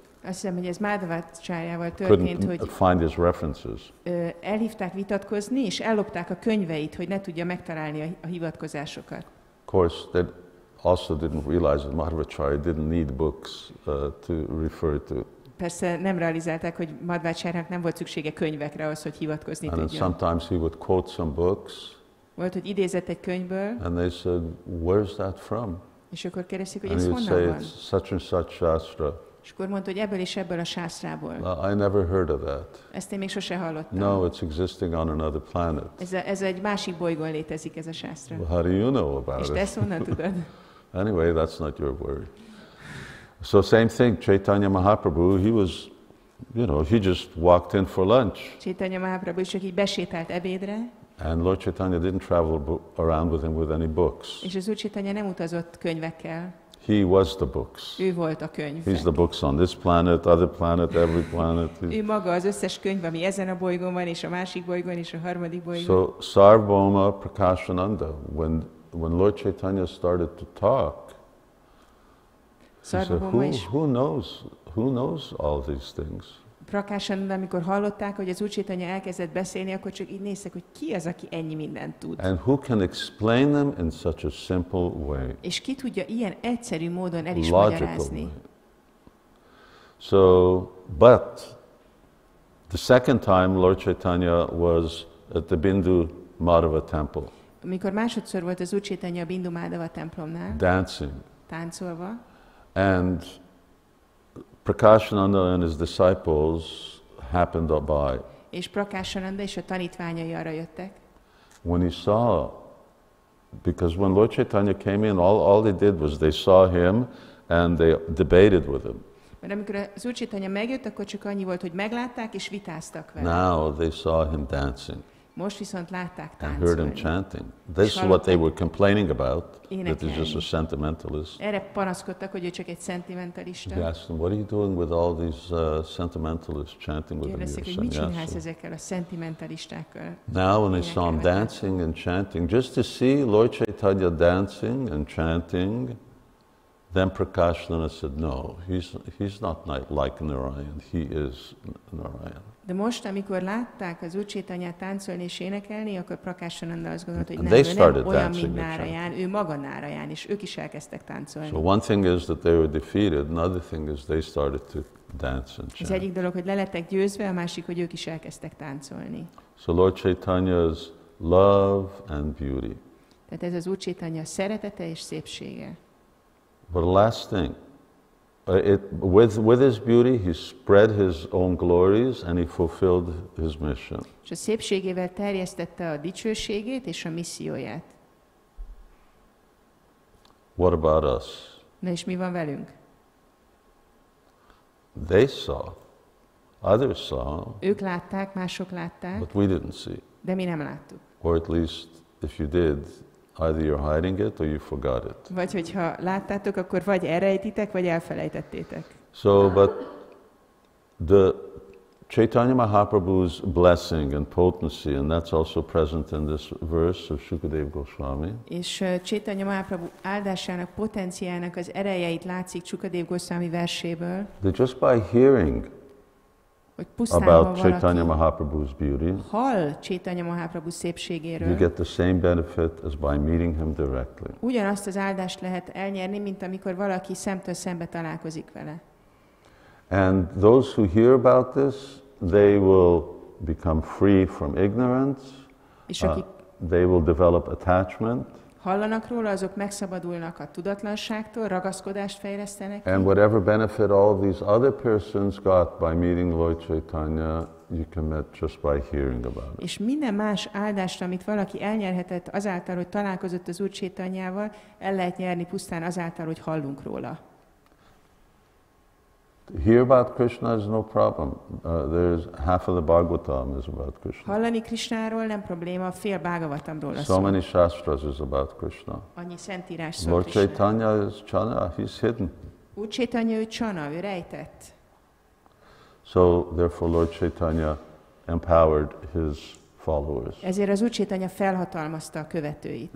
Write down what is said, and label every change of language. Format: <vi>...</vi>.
<hu>Azt hiszem, hogy ez Madhvacharyával történt, hogy</hu> <en>find his references.</en> <hu>Elhívták vitatkozni, és ellopták a könyveit, hogy ne tudja megtalálni a hivatkozásokat.</hu> <en>Of course, they also didn't realize that Madhvacharya didn't need books to refer to.</en> <hu>Persze nem realizálták, hogy Madhvacharyának nem volt szüksége könyvekre ahhoz, hogy hivatkozni tudjon.</hu> <en>And sometimes he would quote some books.</en> <hu>Volt, hogy idézett egy könyvből.</hu> <en>And they said, where's that from?</en> <hu>És akkor kérdezték, hogy</hu> <en>and</en> <hu>ez honnan</hu> <en>say,</en> <hu>van?</hu> <en>And he'd say, it's such and such shastra.</en> <hu>És akkor mondta, hogy ebből és ebből a sászrából.</hu> <en>I never heard of that.</en> <hu>Ezt én még sose hallottam.</hu> <en>No, it's existing on another planet.</en> <hu>Ez egy másik bolygón létezik ez a sászra.</hu> <en>Well, how do you know about it?</en> <hu>És ezt honnan tudod?</hu> <en>Anyway, that's not your worry. So same thing, Chaitanya Mahaprabhu, he was, you know, he just walked in for lunch.</en> <hu>Chaitanya Mahaprabhu csak így besétált ebédre.</hu> <en>And Lord Chaitanya didn't travel around with him with any books.</en> <hu>És az Úr Chaitanya nem utazott könyvekkel.</hu> <en>He was the books.</en> <hu>Ő volt a könyv.</hu> <en>He's the books on this planet, other planet, every planet.</en> <hu>Ő maga az összes könyv, ami ezen a bolygón van, és a másik bolygón, és a harmadik bolygón.</hu> <en>So Sarvabhauma Prakashananda, when Lord Chaitanya started to talk,</en> <hu>Sarvabhauma</hu> <en>he said, who knows all these things?</en> <hu>Prakashananda, amikor hallották, hogy az Úr Chaitanya elkezdett beszélni, akkor csak így néztek, hogy ki az, aki ennyi mindent tud.</hu> <en>And who can explain them in such a simple way?</en> <hu>És ki tudja ilyen egyszerű módon el is magyarázni?</hu> <en>So, but the second time Lord Chaitanya was at the Bindu Madhava temple.</en> <hu>Amikor másodszor volt az Úr Csétanya a Bindu Madhava templomnál.</hu> <en>Dancing.</en> <hu>Táncolva.</hu> <en>And Prakashananda and his disciples happened by.</en> <hu>És Prakashananda és a tanítványai arra jöttek.</hu> <en>When he saw, because when Lord Chaitanya came in, all they did was they saw him and they debated with him.</en> <hu>Mert amikor az Úr Csétanya megjött, akkor csak annyi volt, hogy meglátták és vitáztak vele.</hu> <en>Now they saw him dancing.</en> <hu>Most viszont látták táncolni.</hu> <en>And heard him chanting. This is what they were complaining about. That he's just a sentimentalist.</en> <hu>Erre panaszkodtak, hogy ő csak egy szentimentalista.</hu> <en>They asked him, what are you doing with all these sentimentalists chanting with him?</en> <hu>Mit csinálsz ezekkel a szentimentalistákkal?</hu> <en>Now when they saw him dancing and chanting, just to see Lord Chaitanya dancing and chanting, then Prakashananda said, no, he's not like Narayan. He is Narayan.</en> <hu>De most, amikor látták az Úr Csétanyát táncolni és énekelni, akkor Prakashananda azt gondolt, hogy nem, ő nem olyan, mint Narayan, ő maga Narayan, és ők is elkezdtek táncolni.</hu> <en>So one thing is that they were defeated, another thing is they started to dance and chant.</en> <hu>Az egyik dolog, hogy lelettek győzve, a másik, hogy ők is elkezdtek táncolni.</hu> <en>So Lord Chaitanya's love and beauty.</en> <hu>Tehát ez az Úr Csétanya szeretete és szépsége.</hu> <en>But the last thing. With his beauty, he spread his own glories and he fulfilled his mission.</en> <hu>És a szépségével terjesztette a dicsőségét és a misszióját.</hu> <en>What about us?</en> <hu>Na és mi van velünk?</hu> <en>They saw. Others saw.</en> <hu>Ők látták, mások látták.</hu> <en>But we didn't see.</en> <hu>De mi nem láttuk.</hu> <en>Or at least, if you did, either you're hiding it or you forgot it.</en> <hu>Vagy hogyha láttátok, akkor vagy elrejtitek, vagy elfelejtettétek.</hu> <en>So, but the Chaitanya Mahaprabhu's blessing and potency, and that's also present in this verse of Shukadeva Goswami.</en> <hu>És Chaitanya Mahaprabhu áldásának, potenciának az erejeit látszik Shukadeva Goswami verséből.</hu> <en>That just by hearing about Chaitanya Mahaprabhu's beauty,</en> <hu>hall Chaitanya Mahaprabhu szépségéről,</hu> <en>you get the same benefit as by meeting him directly.</en> <hu>Ugyanazt az áldást lehet elnyerni, mint amikor valaki szemtől szembe találkozik vele.</hu> <en>And those who hear about this, they will become free from ignorance. They will develop attachment.</en> <hu>Hallanak róla, azok megszabadulnak a tudatlanságtól, ragaszkodást fejlesztenek.</hu> <en>And whatever benefit all these other persons got by meeting Lord Chaitanya, you can get just by hearing about it.</en> <hu>És minden más áldást, amit valaki elnyerhetett azáltal, hogy találkozott az Úr Csétanyával, el lehet nyerni pusztán azáltal, hogy hallunk róla.</hu> <en>Hear about Krishna is no problem. There's half of the Bhagavatam is about Krishna.</en> <hu>Hallani Krishnáról nem probléma, fél Bhagavatamról.</hu> <en>So many shastras is about Krishna.</en> <hu>Annyi szentírás szól Krishna.</hu> <en>Lord Chaitanya is chana, he's hidden.</en> <hu>Úr Csétanya, ő csana, ő rejtett.</hu> <en>So therefore Lord Chaitanya empowered his followers.</en> <hu>Ezért az Úr Csétanya felhatalmazta a követőit.</hu>